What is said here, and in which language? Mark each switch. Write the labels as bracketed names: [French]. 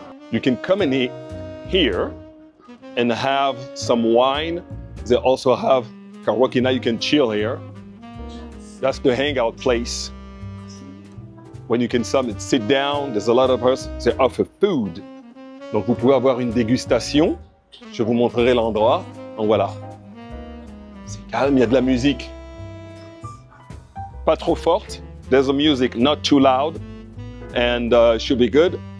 [English] You can come and eat here and have some wine. They also have karaoke. Now, you can chill here. That's the hangout place. When you can summit, sit down, there's a lot of us, they offer food. [French] Donc vous pouvez avoir une dégustation, je vous montrerai l'endroit. Donc voilà, c'est calme, il y a de la musique. Pas trop forte, [English] there's a music not too loud, and should be good.